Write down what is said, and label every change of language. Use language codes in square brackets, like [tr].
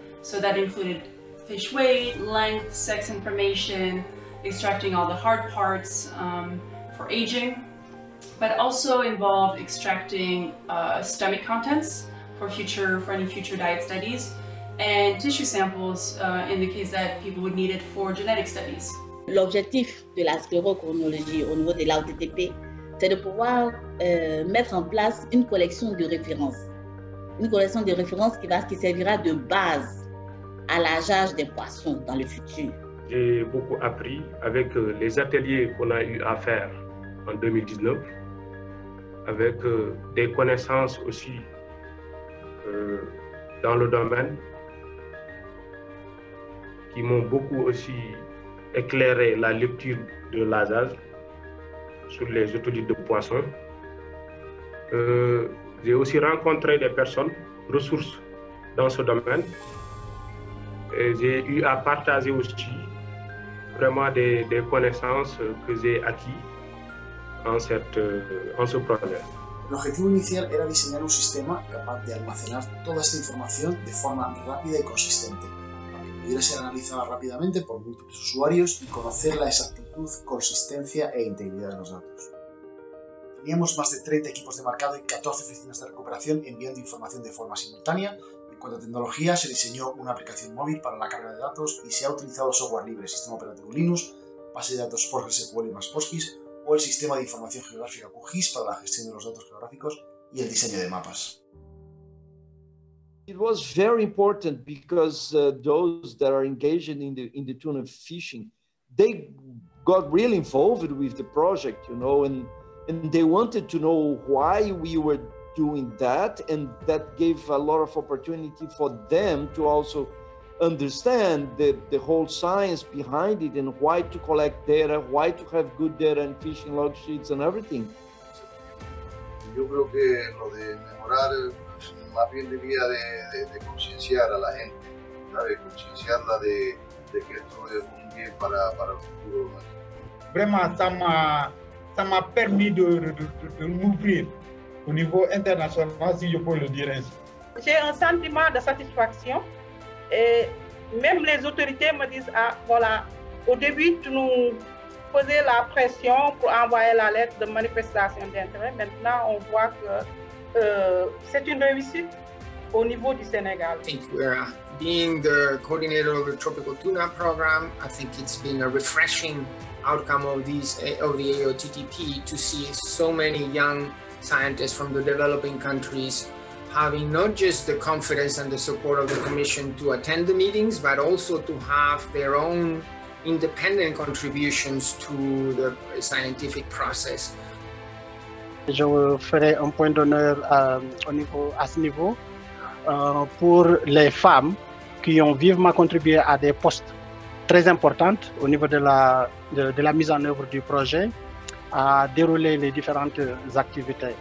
[en] So that included fish weight, length, sex information, extracting all the hard parts for aging, but also involved extracting stomach contents for any future diet studies, and tissue samples in the case that people would need it for genetic studies. [fr] L'objectif de la sclérochronologie au niveau de l'ARTTP, c'est de pouvoir mettre en place une collection de références. Une collection de références qui servira de base à l'âgage des poissons dans le futur. J'ai beaucoup appris avec les ateliers qu'on a eu à faire en 2019, avec des connaissances aussi dans le domaine qui m'ont beaucoup aussi éclairer la lecture de l'âgage sur les otolithes de poissons. J'ai aussi rencontré des personnes ressources dans ce domaine. Et j'ai eu à partager aussi vraiment des connaissances que j'ai acquises en ce projet. [es] L'objectif initial era diseñar un sistema capaz de almacenar toda esta información de forma rápida y consistente. Pudiera ser analizada rápidamente por múltiples usuarios y conocer la exactitud, consistencia e integridad de los datos. Teníamos más de 30 equipos de marcado y 14 oficinas de recuperación enviando información de forma simultánea. En cuanto a tecnología, se diseñó una aplicación móvil para la carga de datos y se ha utilizado software libre, sistema operativo Linux, base de datos PostgreSQL y más PostGIS o el sistema de información geográfica QGIS para la gestión de los datos geográficos y el diseño de mapas. [en] It was very important because those that are engaged in the tuna fishing, they got really involved with the project, you know, and they wanted to know why we were doing that, and that gave a lot of opportunity for them to also understand the whole science behind it and why to collect data, why to have good data and fishing log sheets and everything. [es] Yo creo que lo de mejorar, más bien diría de concienciar a la gente, ¿sabes? Concienciarla de que esto es un bien para el futuro. [fr] Vraiment, ça m'a permis de m'ouvrir au niveau international, si je peux le dire ainsi. J'ai un sentiment de satisfaction et même les autorités me disent, ah voilà, au début, tu nous poser la pression pour envoyer la lettre de manifestation d'intérêt. Maintenant, on voit que c'est une réussite au niveau du Sénégal. [en] I think we're being the coordinator of the Tropical Tuna Program. I think it's been a refreshing outcome of the AOTTP to see so many young scientists from the developing countries having not just the confidence and the support of the Commission to attend the meetings, but also to have their own independent contributions to the scientific process. [fr] Je ferai un point d'honneur à ce niveau pour les femmes qui ont vivement contribué à des postes très importants au niveau de la mise en œuvre du projet, à dérouler les différentes activités.